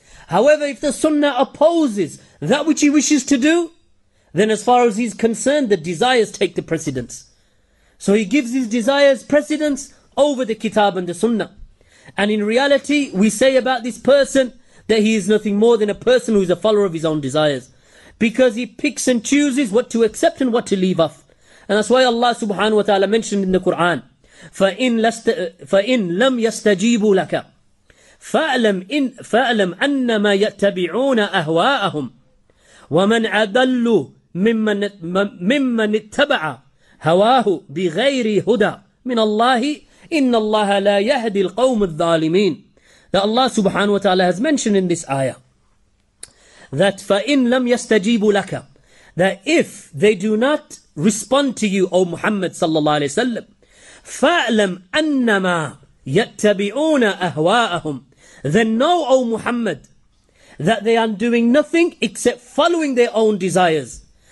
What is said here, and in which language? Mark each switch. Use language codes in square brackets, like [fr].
[en] However, if the sunnah opposes that which he wishes to do, then as far as he's concerned, the desires take the precedence. So he gives his desires precedence over the kitab and the sunnah. And in reality, we say about this person that he is nothing more than a person who is a follower of his own desires. Because he picks and chooses what to accept and what to leave off. And that's why Allah subhanahu wa ta'ala mentioned in the Quran, [ar] فَإِنْ لَمْ يَسْتَجِيبُوا لَكَ فَأَلَمْ أَنَّمَا يَتَّبِعُونَ أَهْوَاءَهُمْ وَمَنْ عَدَلُّ مِمَّنْ اتَّبَعَ هَوَاهُ بِغَيْرِ هُدَى مِنَ اللَّهِ إِنَّ اللَّهَ لَا يَهْدِي الْقَوْمُ الظَّالِمِينَ. [en] That Allah subhanahu wa ta'ala has mentioned in this ayah that [ar] فَإِنْ لَمْ يَسْتَجِيبُ لَكَ, [en] that if they do not respond to you, O Muhammad sallallahu alayhi wa sallam, [ar] فَأَلَمْ أَنَّمَا يَتَّبِعُونَ أَهْوَاءَهُمْ, [en] then know, O Muhammad, that they are doing nothing except following their own desires.